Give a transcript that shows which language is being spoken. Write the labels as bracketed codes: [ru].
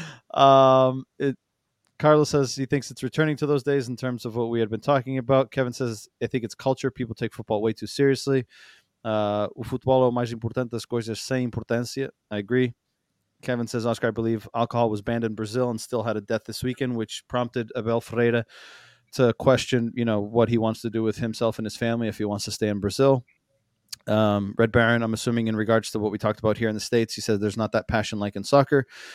[en] Carlos says he thinks it's returning to those days in terms of what we had been talking about. Kevin says, I think it's culture. People take football way too seriously. [pt] O futebol é o mais importante das coisas sem importância. [en] I agree. Kevin says, Oscar, I believe alcohol was banned in Brazil and still had a death this weekend, which prompted Abel Ferreira to question, you know, what he wants to do with himself and his family if he wants to stay in Brazil. Red Baron, I'm assuming in regards to what we talked about here in the States, he said there's not that passion like in soccer.